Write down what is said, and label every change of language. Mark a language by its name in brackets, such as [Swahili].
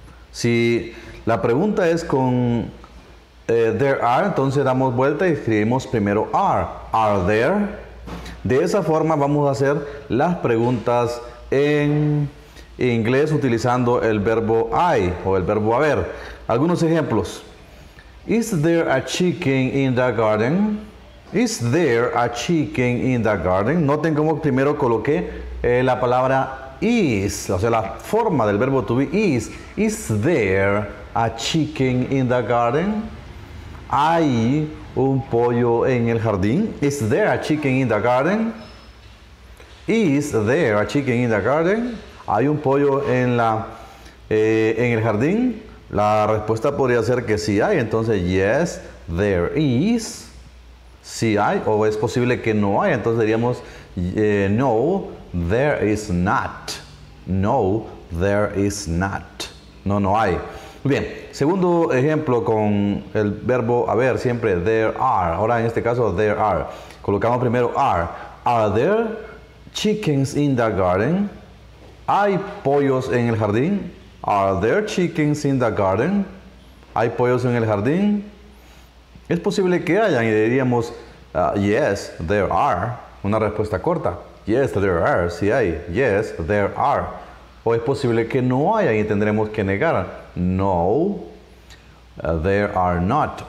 [Spanish] Si la pregunta es con there are, entonces damos vuelta y escribimos primero are. [English] Are there? [Spanish] De esa forma vamos a hacer las preguntas en inglés utilizando el verbo I o el verbo haber. Algunos ejemplos. [English] Is there a chicken in the garden? Is there a chicken in the garden? [Spanish] Noten cómo primero coloqué la palabra is, o sea, la forma del verbo to be is. [English] Is there a chicken in the garden? [Spanish] ¿Hay un pollo en el jardín? [English] Is there a chicken in the garden? Is there a chicken in the garden? [Spanish] ¿Hay un pollo en el jardín? La respuesta podría ser que sí hay. Entonces, [English] yes, there is. [Spanish] Sí hay. O es posible que no hay. Entonces diríamos, [English] no, there is not. No, there is not. [Spanish] No, no hay. Bien, segundo ejemplo con el verbo haber, siempre there are. Ahora en este caso, there are. Colocamos primero are. [English] Are there chickens in the garden? [Spanish] ¿Hay pollos en el jardín? [English] Are there chickens in the garden? [Spanish] ¿Hay pollos en el jardín? Es posible que hayan y diríamos, [English] yes, there are. [Spanish] Una respuesta corta. [English] Yes, there are. [Spanish] Sí hay. [English] Yes, there are. [Spanish] O es posible que no haya y tendremos que negar. [English] No, there are not.